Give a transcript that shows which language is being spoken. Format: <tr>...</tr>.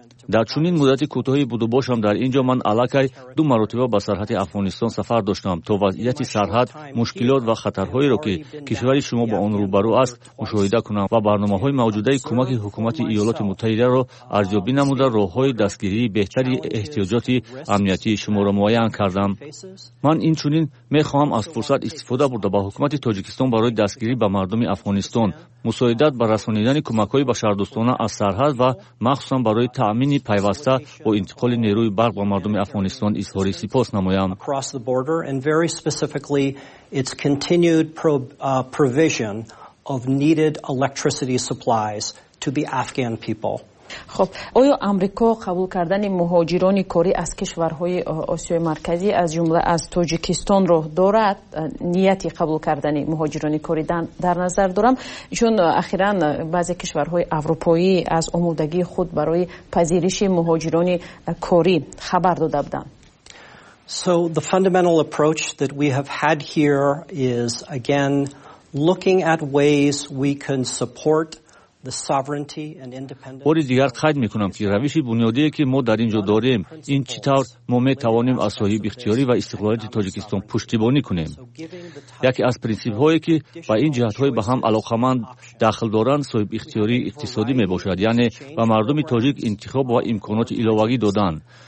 <fa>در چنین مدت کوتاهی بوده باشم در اینجا من علاکای دو مرتبه به سرحد افغانستان سفر داشتم تا وضعیت سرحد، مشکلات و خطرهایی را که کشور شما با آن روبرو است مشاهده کنم و برنامه های موجوده کمک حکومت ایالات متحده را ارزیابی نموده راههای دستگیری بهتری احتیاجات امنیتی شما را معین کردم. من این چنین می خواهم از فرصت استفاده برده به حکومت تاجیکستان برای دستگیری به مردم افغانستان مساعدت به رسانیدن کمک های بشر دوستانه از سرحد و مخصوصا برای تامین پیوسته و انتقال نیروی برق به مردم افغانستان اظهار سپاس نمایم.</fa> <en>Across the border and very specifically its continued provision of needed electricity supplies to the Afghan people.</en> <fa>خب آیا آمریکا قبول کردن مهاجران کاری از کشورهای آسیای مرکزی از جمله از تاجیکستان رو دارد؟ نیت قبول کردن مهاجران کاری در نظر دارم، چون اخیرا بعضی کشورهای اروپایی از آمادگی خود برای پذیرش مهاجران کاری خبر داده بودند.</fa> <en>So the fundamental approach that we have had here is again looking at ways we can support the sovereignty and independence.</en> <fa>اور دیگر قید میکنم که روش بنیادی که ما در اینجا داریم این چطور ما میتوانیم از صاحب اختیاری و استقلالیت تاجیکستان پشتیبانی کنیم. یکی از پرینسیپ هایی که با این جهت های به هم علاقمند دخل دارند صاحب اختیاری اقتصادی میباشد، یعنی به مردم تاجیک انتخاب و امکانات الهواگی دادن.</fa>